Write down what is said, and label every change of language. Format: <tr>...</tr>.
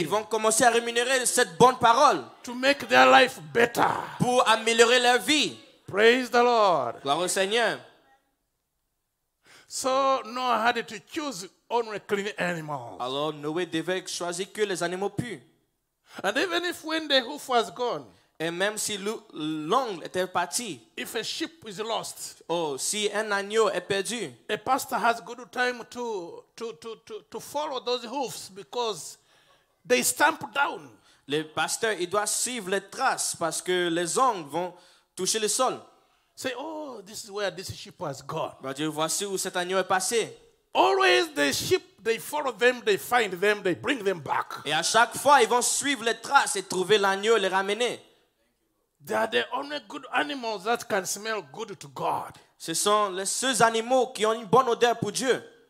<fr>Ils vont commencer à rémunérer cette bonne parole.</fr> <en>To make their life better.</en> <fr>Pour améliorer leur vie.</fr> <en>Praise the Lord.</en> <fr>Gloire au Seigneur.</fr> <en>So Noah had to choose only clean animals.</en> <fr>Alors Noé devait choisir que les animaux purs.</fr> <en>And even if when the hoof was gone.</en> <fr>Et même si l'ongle était parti.</fr> <en>If a sheep is lost.</en> <fr>Oh, si un agneau est perdu.</fr> <en>A pastor has good time to follow those hoofs because they stamp down.</en> <fr>Le pasteur il doit suivre les traces parce que les ongles vont toucher le sol.</fr> <en>Say, oh, this is where this sheep has gone.</en> <fr>Bah, voici où cet agneau est passé.</fr> <en>Always the sheep, they follow them, they find them, they bring them back.</en> <fr>Et à chaque fois, ils vont suivre les traces et trouver l'agneau et les ramener.</fr> <en>They are the only good animals that can smell good to God.</en> <fr>Ce sont les seuls animaux qui ont une bonne odeur pour Dieu.</fr>